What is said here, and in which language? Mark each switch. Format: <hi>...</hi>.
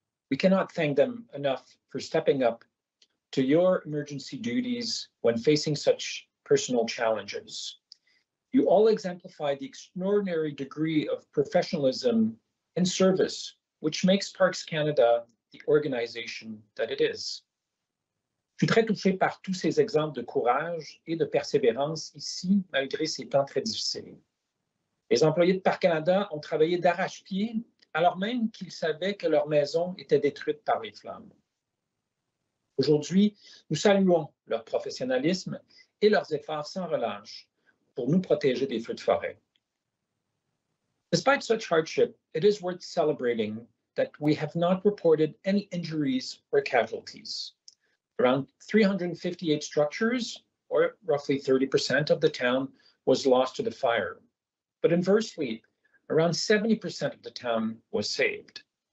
<en>We cannot thank them enough for stepping up to your emergency duties when facing such personal challenges. You all exemplify the extraordinary degree of professionalism and service, which makes Parks Canada the organization that it is.</en> <fr>Je suis très touché par tous ces exemples de courage et de persévérance ici, malgré ces temps très difficiles. Les employés de Parc Canada ont travaillé d'arrache-pied alors même qu'ils savaient que leur maison était détruite par les flammes. Aujourd'hui, nous saluons leur professionnalisme et leurs efforts sans relâche pour nous protéger des feux de forêt.</fr> <en>Despite such hardship, it is worth celebrating that we have not reported any injuries or casualties. Around 358 structures, or roughly 30% of the town, was lost to the fire. But inversely, around 70% of the town was saved.</en>